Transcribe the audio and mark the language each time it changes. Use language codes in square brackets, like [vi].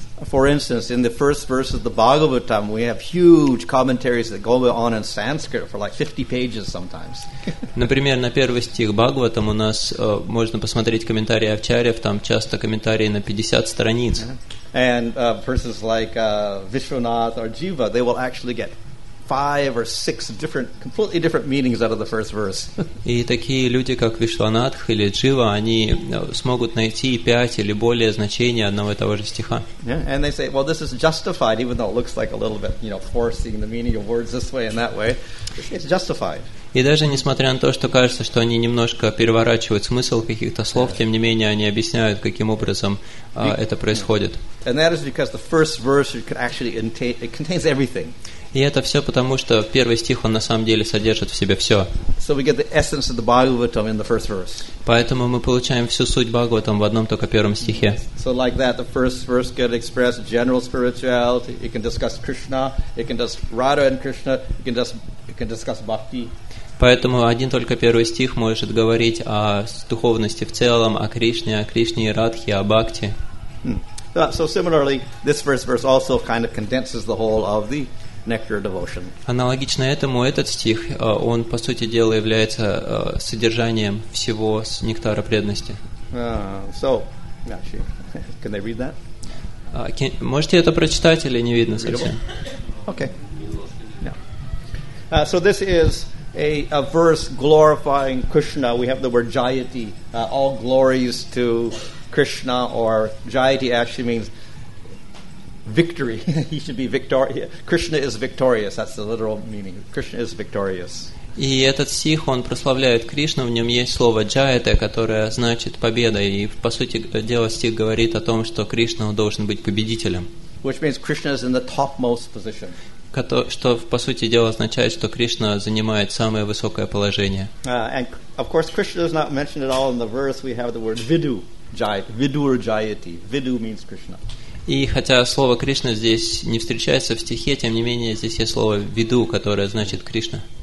[en] For instance, in the first verse of the Bhagavatam, we have huge commentaries that go on in Sanskrit for like 50 pages sometimes. [ru] Например, на первый стих Бхагаватам у нас можно посмотреть комментарии авчарьев, там часто комментарии на 50 страниц. [en] And verses like Vishwanath or Jiva, they will actually get five or six different, completely different meanings out of the first verse. [ru] И такие люди, как Вишванатх или Джива, они смогут найти пять или более значений одного и того же стиха. [en] And they say, well, this is justified, even though it looks like a little bit, you know, forcing the meaning of words this way and that way. It's justified. [ru] И даже несмотря на то, что кажется, что они немножко переворачивают смысл каких-то слов, тем не менее они объясняют, каким образом это происходит. [en] And that is because the first verse could actually it contains everything. [ru] И это все потому, что первый стих, он на самом деле содержит в себе все. [en] So we get the essence of the Bhagavatam in the first verse. [ru] Поэтому мы получаем всю суть Бхагаватам в одном только первом стихе. [en] So like that, the first verse can express general spirituality, it can discuss Krishna, it can discuss Radha and Krishna, it can discuss bhakti. [ru] Поэтому один только первый стих может говорить о духовности в целом, о Кришне и Радхе, о Бхакти. [en] So similarly, this first verse also kind of condenses the whole of the nectar devotion. [ru] Аналогично этому, этот стих, он, по сути дела, является содержанием всего с нектара преданности. [en] Can they read that? [ru] Можете это прочитать или не видно совсем? [en] Okay. Yeah. So this is a verse glorifying Krishna. We have the word Jayati. All glories to Krishna, or Jayati actually means victory. He should be victorious. Krishna is victorious. That's the literal meaning. Krishna is victorious. [ru] И этот стих, он прославляет Кришну, в нем есть слово «джаяте», которое значит «победа», и, по сути дела, стих говорит о том, что Кришна должен быть победителем. [en] Which means Krishna is in the topmost position. [ru] Что, по сути дела, означает, что Кришна занимает самое высокое положение. [en] And, of course, Krishna is not mentioned at all in the verse. We have the word «vidu», «vidur jayati». «Vidu» means Krishna. [ru] И хотя слово «Кришна» здесь не встречается в стихе, тем не менее, здесь есть слово «vidu», которое значит «Кришна».